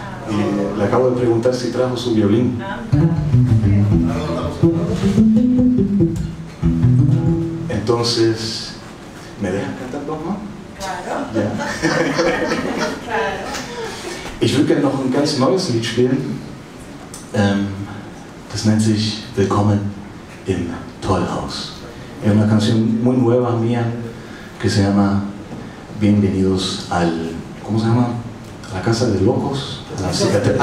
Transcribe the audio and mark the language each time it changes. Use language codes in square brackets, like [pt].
[es] Y le acabo de preguntar si trajo su violín. Entonces, ¿me dejan cantar dos más? Claro. [de] Ich würde gerne noch ein ganz neues Lied spielen. Das nennt sich Willkommen im Tollhaus. [es] Es una canción muy nueva mía que se llama Bienvenidos al... ¿Cómo se llama? A la casa de locos, a la psiquiatría.